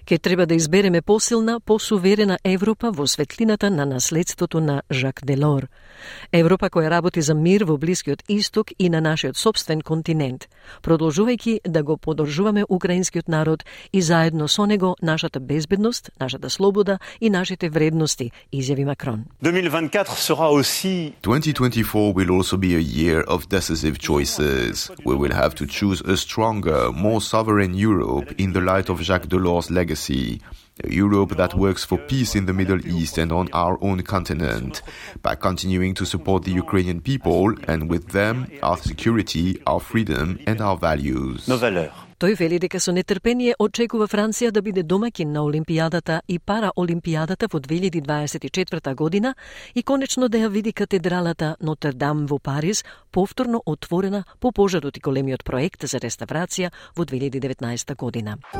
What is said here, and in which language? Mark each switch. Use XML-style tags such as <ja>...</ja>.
<mk>Ќе треба да избереме посилна, посуверена Европа во светлината на наследството на Жак Делор. Европа која работи за мир во Блискиот Исток и на нашиот собствен континент, продолжувајќи да го поддржуваме украинскиот народ и заедно со него нашата безбедност, нашата слобода и нашите вредности, изјави Макрон.</mk> <en>2024 will also be a year of decisive choices. We will have to choose a stronger, more sovereign Europe in the light of Jacques Delors' legacy. A Europe that works for peace in the Middle East and on our own continent, by continuing to support the Ukrainian people and with them our security, our freedom and our values.</en> <mk>Тој вели дека со нетрпение очекува Франција да биде домакин на Олимпијадата и Параолимпијадата во 2024 година и конечно да ја види катедралата Нотр-Дам во Париз повторно отворена по пожарот и големиот проект за реставрација во 2019 година.</mk>